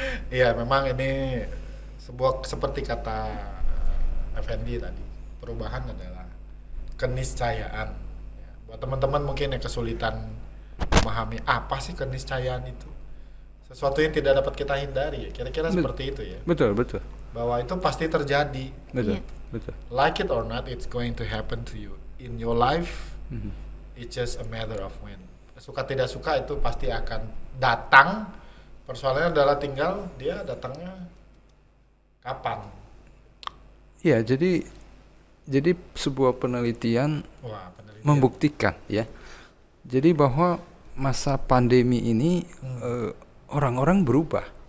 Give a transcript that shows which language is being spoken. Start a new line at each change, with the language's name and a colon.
Indonesian: Iya, memang ini sebuah seperti kata Effendi tadi, perubahan adalah keniscayaan. Buat teman-teman mungkin yang kesulitan memahami apa sih keniscayaan itu, sesuatu yang tidak dapat kita hindari, kira-kira seperti itu ya. Betul, betul. Bahwa itu pasti terjadi. Betul, betul.
English: Like it or not, it's going to happen to you in your life. It's just a matter of when.
Indonesian: suka tidak suka itu pasti akan datang. Persoalannya adalah tinggal dia datangnya kapan. Ya, jadi sebuah penelitian, penelitian membuktikan ya. Jadi bahwa masa pandemi ini orang-orang berubah.